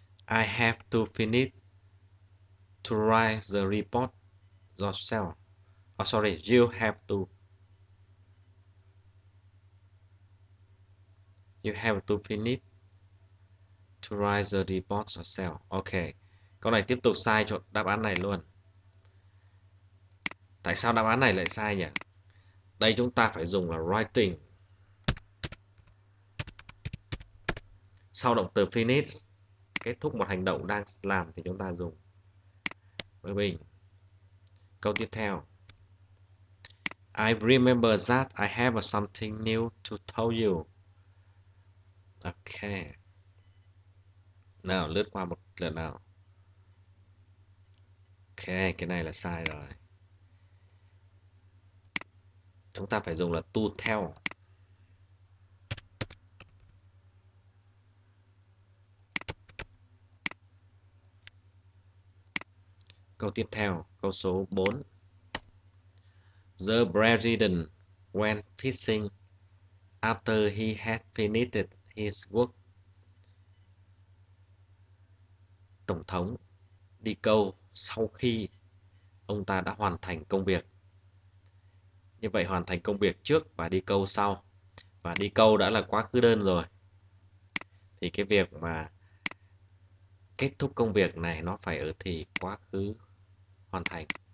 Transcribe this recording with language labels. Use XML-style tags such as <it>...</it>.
<en>I have to finish to write the report yourself. Oh, sorry, you have to. You have to finish to write the report yourself. Ok.</en> <vi>Câu này tiếp tục sai chỗ đáp án này luôn. Tại sao đáp án này lại sai nhỉ? Đây chúng ta phải dùng là writing. Sau động từ finish kết thúc một hành động đang làm thì chúng ta dùng với mình. Câu tiếp theo.</vi> <en>I remember that I have something new to tell you.</en> <vi>Ok. Nào, lướt qua một lần nào. Ok, cái này là sai rồi. Chúng ta phải dùng là to tell. Câu tiếp theo, câu số 4.</vi> <en>The president went fishing after he had finished his work.</en> <vi>Tổng thống đi câu sau khi ông ta đã hoàn thành công việc. Như vậy hoàn thành công việc trước và đi câu sau. Và đi câu đã là quá khứ đơn rồi. Thì cái việc mà kết thúc công việc này nó phải ở thì quá khứ hoàn thành.</vi>